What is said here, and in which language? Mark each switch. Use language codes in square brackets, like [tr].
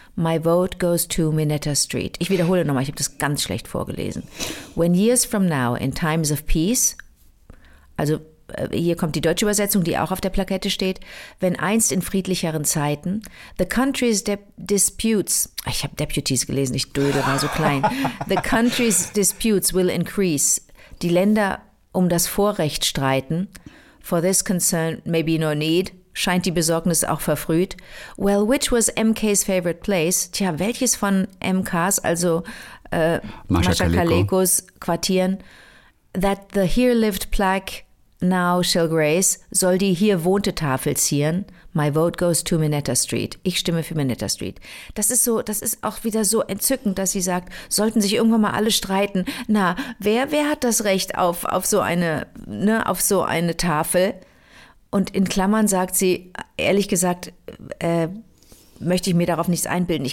[en] My vote goes to Minetta Street. [de] Ich wiederhole nochmal, ich habe das ganz schlecht vorgelesen. [en] When years from now, in times of peace, [de] also hier kommt die deutsche Übersetzung, die auch auf der Plakette steht, wenn einst in friedlicheren Zeiten, [en] the country's disputes, [de] ich habe deputies gelesen, ich döde, war so klein, [en] the country's disputes will increase, [de] die Länder um das Vorrecht streiten, [en] for this concern may be no need, [de] scheint die Besorgnis auch verfrüht. [en] Well, which was MK's favorite place? [de] Tja, welches von MKs, also Mascha Kalekos Quartieren, [en] that the here lived plaque now shall grace, [de] soll die hier wohnte Tafel zieren? [en] My vote goes to Minetta Street. [de] Ich stimme für Minetta Street. Das ist so, das ist auch wieder so entzückend, dass sie sagt, sollten sich irgendwann mal alle streiten. Na, wer hat das Recht auf so eine, ne, auf so eine Tafel? Und in Klammern sagt sie, ehrlich gesagt, möchte ich mir darauf nichts einbilden.